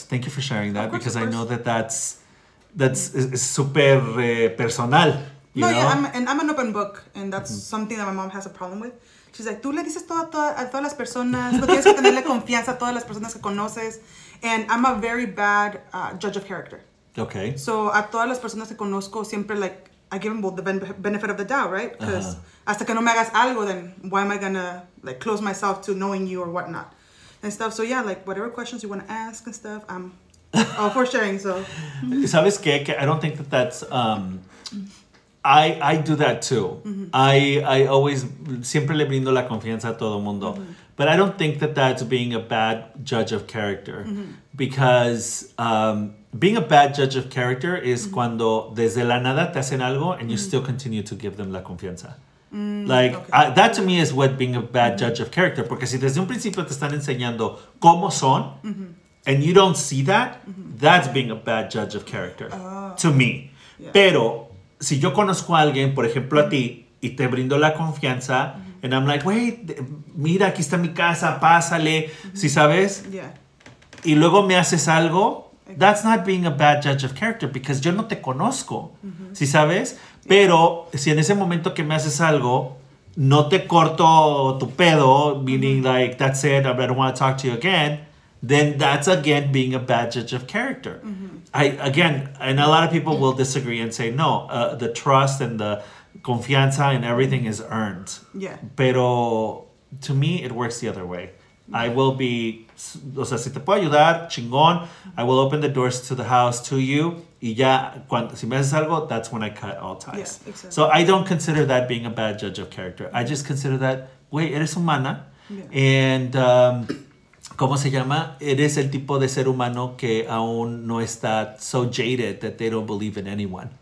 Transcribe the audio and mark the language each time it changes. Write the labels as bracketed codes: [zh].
[en] Thank you for sharing that, because I know that that's super personal. I'm an open book, and that's mm-hmm. something that my mom has a problem with. [es] She's like, tú le dices todo a todas las personas, tú tienes que tenerle confianza a todas las personas que conoces. [en] And I'm a very bad judge of character. Okay. So, [es] a todas las personas que conozco, siempre, [en] like, I give them the benefit of the doubt, right? Because [es] hasta que no me hagas algo, [en] then why am I going to, like, close myself to knowing you or whatnot and stuff. So, yeah, like, whatever questions you want to ask and stuff, I'm all for sharing, so. [es] ¿Sabes qué? [en] I don't think that that's, I do that too. Mm-hmm. I always, [es] siempre le brindo la confianza a todo mundo. Mm-hmm. [en] But I don't think that that's being a bad judge of character. Mm-hmm. Because being a bad judge of character is mm-hmm. [es] cuando desde la nada te hacen algo [en] and you mm-hmm. still continue to give them [es] la confianza. Mm-hmm. [en] Like, okay. That to me is what being a bad mm-hmm. judge of character. [es] Porque si desde un principio te están enseñando cómo son mm-hmm. [en] and you don't see that, mm-hmm. that's being a bad judge of character to me. Yeah. [es] Pero si yo conozco a alguien, por ejemplo mm-hmm. a ti, y te brindo la confianza, mm-hmm. [en] and I'm like, wait, [es] mira, aquí está mi casa, pásale, mm-hmm. ¿sí sabes? [en] Yeah. [es] Y luego me haces algo, [en] that's not being a bad judge of character, because [es] yo no te conozco, mm-hmm. ¿sí sabes? Yeah. Pero si en ese momento que me haces algo, no te corto tu pedo, meaning mm-hmm. [en] like, that's it, I don't want to talk to you again, then that's again being a bad judge of character. Mm-hmm. A lot of people will disagree and say, no, the trust and the confianza and everything is earned. Yeah. Pero to me, it works the other way. Yeah. I will be, [es] o sea, si te puedo ayudar, chingón. [en] I will open the doors to the house to you. [es] Y ya, si me haces algo, [en] that's when I cut all ties. Yeah, exactly. So I don't consider that being a bad judge of character. I just consider that, [es] güey, eres humana. [en] Yeah. [es] And, ¿cómo se llama? Eres el tipo de ser humano que aún no está [en] so jaded that they don't believe in anyone.